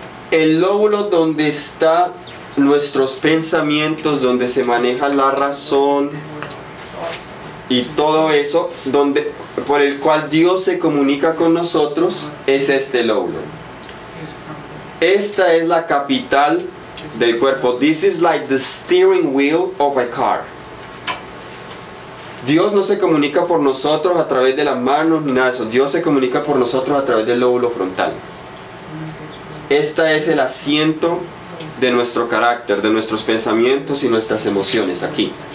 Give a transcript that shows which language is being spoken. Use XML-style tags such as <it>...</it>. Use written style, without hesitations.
<es>El lóbulo donde están nuestros pensamientos, donde se maneja la razón y todo eso, donde, por el cual Dios se comunica con nosotros, es este lóbulo. Esta es la capital del cuerpo.</es> <en>This is like the steering wheel of a car.</en> <es>Dios no se comunica por nosotros a través de las manos ni nada de eso. Dios se comunica por nosotros a través del lóbulo frontal. Este es el asiento de nuestro carácter, de nuestros pensamientos y nuestras emociones aquí.</es>